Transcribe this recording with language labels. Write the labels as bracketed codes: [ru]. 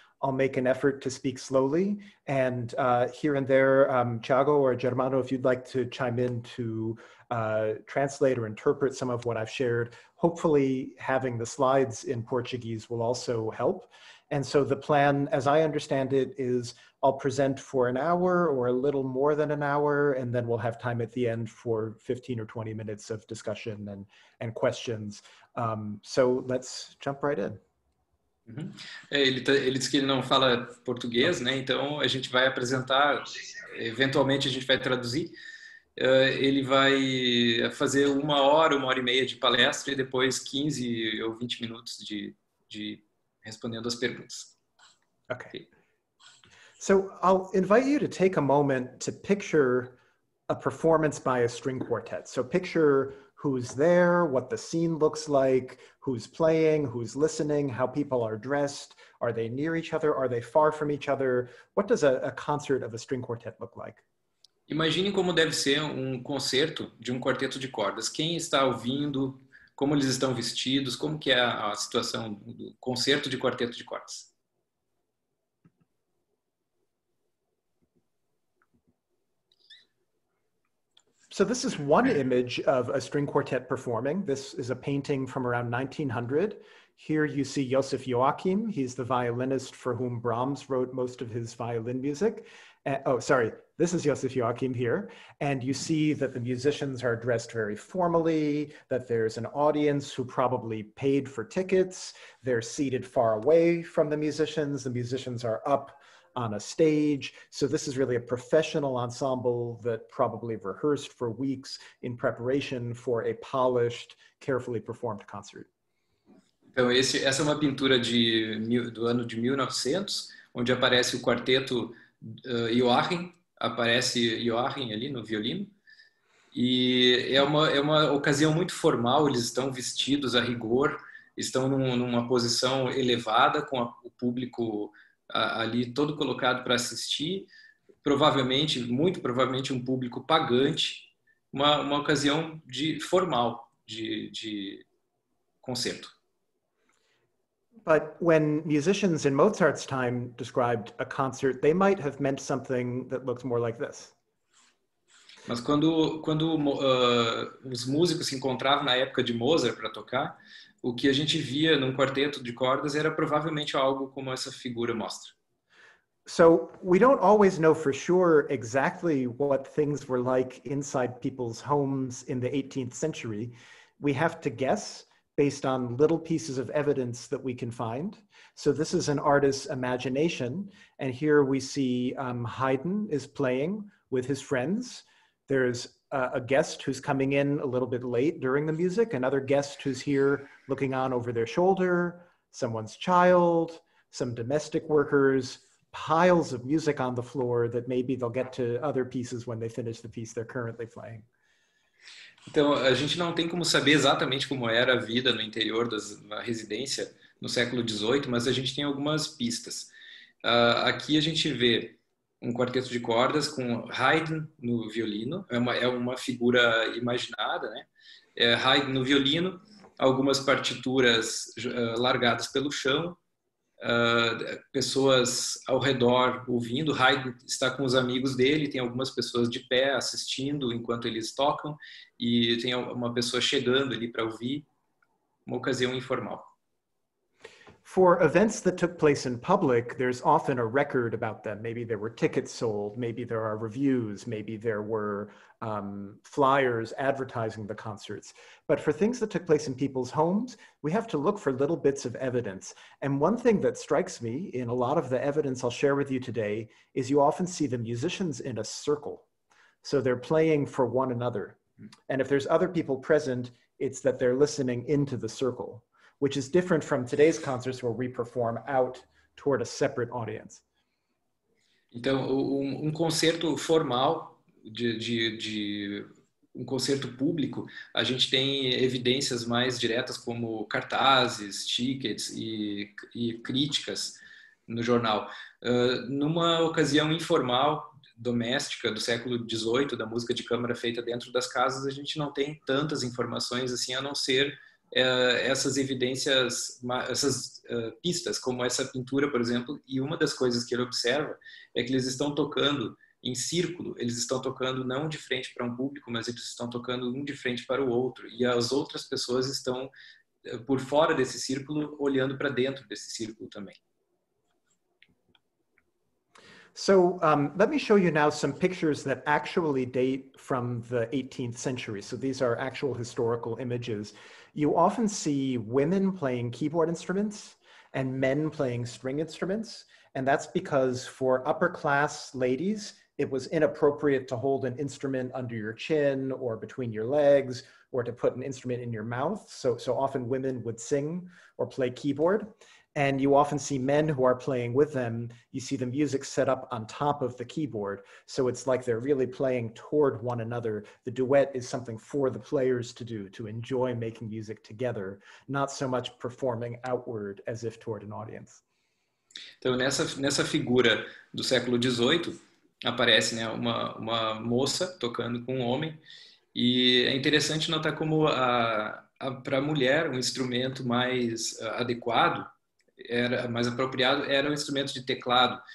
[en] I'll make an effort to speak slowly. And here and there, Thiago or Germano, if you'd like to chime in to translate or interpret some of what I've shared, hopefully having the slides in Portuguese will also help. And so the plan, as I understand it, is I'll present for an hour or a little more than an hour, and then we'll have time at the end for 15 or 20 minutes of discussion and questions. So let's jump right in. [pt] Ele disse que ele não fala português, né? Então a gente vai apresentar eventualmente a gente vai traduzir. Ele vai fazer uma hora e meia de palestra e depois 15 ou 20 minutos de respondendo as perguntas. [en] Okay. So I'll invite you to take a moment to picture a performance by a string quartet. So picture who's there, what the scene looks like, who's playing, who's listening, how people are dressed, are they near each other, are they far from each other? What does a concert of a string quartet look like? [pt] Imagine como deve ser um concerto de um quarteto de cordas. Quem está ouvindo, como eles estão vestidos, como que é a situação do concerto de quarteto de cordas? [en] So this is one image of a string quartet performing. This is a painting from around 1900. Here you see Josef Joachim. He's the violinist for whom Brahms wrote most of his violin music. This is Josef Joachim here. And you see that the musicians are dressed very formally, that there's an audience who probably paid for tickets. They're seated far away from the musicians. The musicians are up on a stage. So this is really a professional ensemble that probably rehearsed for weeks in preparation for a polished, carefully performed concert. [pt] Então, essa é uma pintura do ano de 1900, onde aparece o quarteto Joachim, aparece Joachim ali no violino, e é uma ocasião muito formal, eles estão vestidos a rigor, estão numa posição elevada com o público ali todo colocado para assistir, provavelmente, muito provavelmente um público pagante, uma ocasião de formal de concerto. [en] But when musicians in Mozart's time described a concert, they might have meant something that looks more like this. [pt] Mas quando os músicos se encontravam na época de Mozart para tocar, o que a gente via num quarteto de cordas era provavelmente algo como essa figura mostra. [en] So we don't always know for sure exactly what things were like inside people's homes in the 18th century. We have to guess based on little pieces of evidence that we can find. So this is an artist's imagination. And here we see Haydn is playing with his friends. There's a guest who's coming in a little bit late during the music, another guest who's here looking on over their shoulder, someone's child, some domestic workers, piles of music on the floor that maybe they'll get to other pieces when they finish the piece they're currently playing. [pt] Então, a gente não tem como saber exatamente como era a vida no interior da residência no século XVIII, mas a gente tem algumas pistas. Aqui a gente vê um quarteto de cordas com Haydn no violino, é uma figura imaginada, né? Haydn no violino, algumas partituras largadas pelo chão, pessoas ao redor ouvindo, Haydn está com os amigos dele, tem algumas pessoas de pé assistindo enquanto eles tocam e tem uma pessoa chegando ali para ouvir, uma ocasião informal. [en] For events that took place in public, there's often a record about them. Maybe there were tickets sold, maybe there are reviews, maybe there were flyers advertising the concerts. But for things that took place in people's homes, we have to look for little bits of evidence. And one thing that strikes me in a lot of the evidence I'll share with you today is you often see the musicians in a circle. So they're playing for one another. And if there's other people present, it's that they're listening into the circle, which is different from today's concerts where we perform out toward a separate audience. [pt] Então, um concerto formal, de um concerto público, a gente tem evidências mais diretas como cartazes, tickets e críticas no jornal. Numa ocasião informal, doméstica, do século XVIII, da música de câmara feita dentro das casas, a gente não tem tantas informações assim, a não ser essas evidências, essas pistas, como essa pintura, por exemplo, e uma das coisas que ele observa é que eles estão tocando em círculo, eles estão tocando não de frente para um público, mas eles estão tocando um de frente para o outro, e as outras pessoas estão por fora desse círculo, olhando para dentro desse círculo também. [en] So, let me show you now some pictures that actually date from the 18th century. So these are actual historical images. You often see women playing keyboard instruments and men playing string instruments. And that's because for upper class ladies, it was inappropriate to hold an instrument under your chin or between your legs or to put an instrument in your mouth. So often women would sing or play keyboard. And you often see men who are playing with them. You see the music set up on top of the keyboard. So it's like they're really playing toward one another. The duet is something for the players to do, to enjoy making music together, not so much performing outward as if toward an audience. [pt] Então, nessa figura do século XVIII, aparece, né, uma moça tocando com um homem. E é interessante notar como, para a mulher, um instrumento mais adequado, era mais apropriado, era um instrumento de teclado.